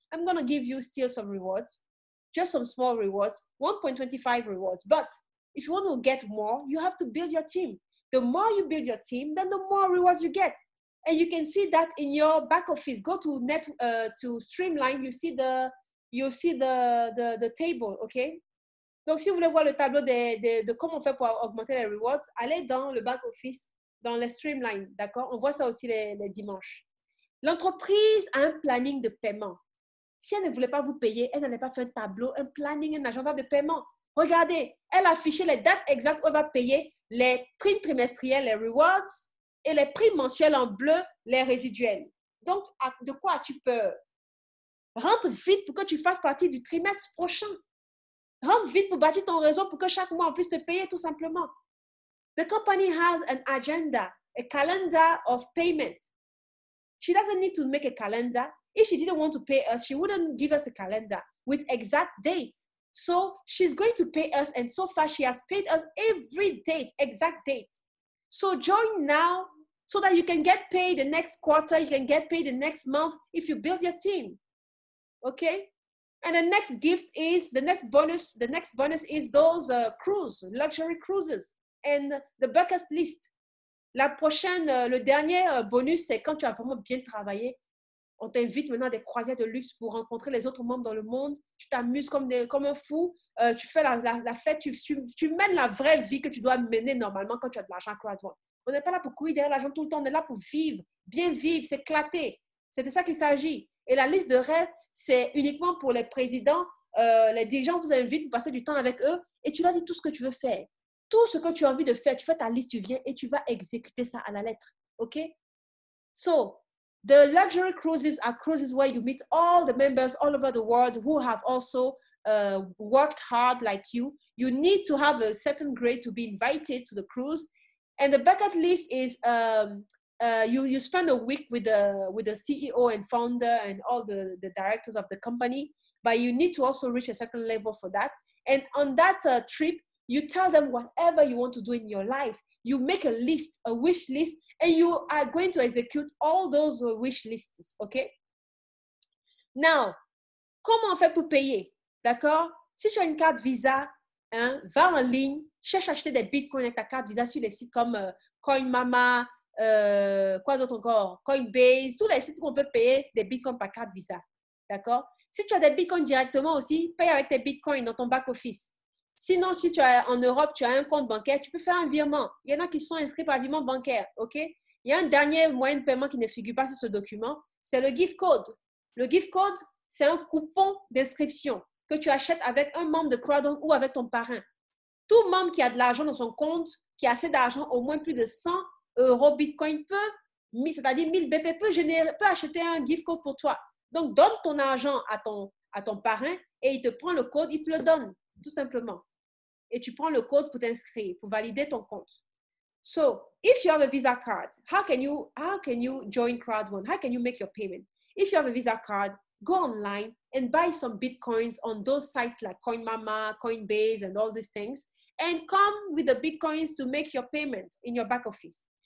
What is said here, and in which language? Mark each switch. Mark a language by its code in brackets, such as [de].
[en] I'm going to give you still some rewards, just some small rewards, 1.25 rewards. But if you want to get more, you have to build your team. The more you build your team, then the more rewards you get. And you can see that in your back office. Go to to Streamline, you see the table, okay? [fr] Donc, si vous voulez voir le tableau de comment on fait pour augmenter les rewards, allez dans le back office, dans les Streamline, d'accord? On voit ça aussi les dimanches. L'entreprise a un planning de paiement. Si elle ne voulait pas vous payer, elle n'allait pas faire un tableau, un planning, un agenda de paiement. Regardez, elle affichait les dates exactes où elle va payer les primes trimestrielles, les rewards, et les primes mensuelles en bleu, les résiduelles. Donc, de quoi as-tu peur? Rentre vite pour que tu fasses partie du trimestre prochain. Rentre vite pour bâtir ton réseau pour que chaque mois, on puisse te payer tout simplement. [en] The company has an agenda, a calendar of payment. She doesn't need to make a calendar. If she didn't want to pay us, she wouldn't give us a calendar with exact dates. So she's going to pay us, and so far she has paid us every date, exact date. So join now so that you can get paid the next quarter, you can get paid the next month if you build your team. Okay? And the next gift is, the next bonus is those cruises, luxury cruises, and the bucket list. [fr] La prochaine, le dernier bonus, c'est quand tu as vraiment bien travaillé. On t'invite maintenant à des croisières de luxe pour rencontrer les autres membres dans le monde. Tu t'amuses comme un fou. Tu fais la fête. Tu mènes la vraie vie que tu dois mener normalement quand tu as de l'argent. On n'est pas là pour courir derrière l'argent tout le temps. On est là pour vivre, bien vivre, s'éclater. C'est de ça qu'il s'agit. Et la liste de rêves, c'est uniquement pour les présidents. Les dirigeants vous invitent, vous passez du temps avec eux et tu leur dis tout ce que tu veux faire. Tout ce que tu as envie de faire, tu fais ta liste, tu viens et tu vas exécuter ça à la lettre. OK? [en] So, the luxury cruises are cruises where you meet all the members all over the world who have also worked hard like you. You need to have a certain grade to be invited to the cruise. And the bucket list is you spend a week with the CEO and founder and all the directors of the company. But you need to also reach a certain level for that. And on that trip, you tell them whatever you want to do in your life. You make a list, a wish list, and you are going to execute all those wish lists, okay? [fr] Now, comment on fait pour payer, d'accord? Si tu as une carte Visa, hein, va en ligne, cherche à acheter des bitcoins avec ta carte Visa sur les sites comme CoinMama, quoi d'autre encore? Coinbase, tous les sites où on peut payer des bitcoins par carte Visa, d'accord? Si tu as des bitcoins directement aussi, paye avec tes bitcoins dans ton back office. Sinon, si tu es en Europe, tu as un compte bancaire, tu peux faire un virement. Il y en a qui sont inscrits par virement bancaire, OK? Il y a un dernier moyen de paiement qui ne figure pas sur ce document, c'est le gift code. Le gift code, c'est un coupon d'inscription que tu achètes avec un membre de Kraken ou avec ton parrain. Tout membre qui a de l'argent dans son compte, qui a assez d'argent, au moins plus de 100 euros Bitcoin, peut, c'est-à-dire 1000 BP, peut acheter un gift code pour toi. Donc, donne ton argent à ton parrain et il te prend le code, il te le donne. Tout simplement. Et tu prends le code pour t'inscrire, pour valider ton compte. [en] So, if you have a Visa card, how can you join Kraken? How can you make your payment? If you have a Visa card, go online and buy some bitcoins on those sites like CoinMama, Coinbase, and all these things, and come with the bitcoins to make your payment in your back office.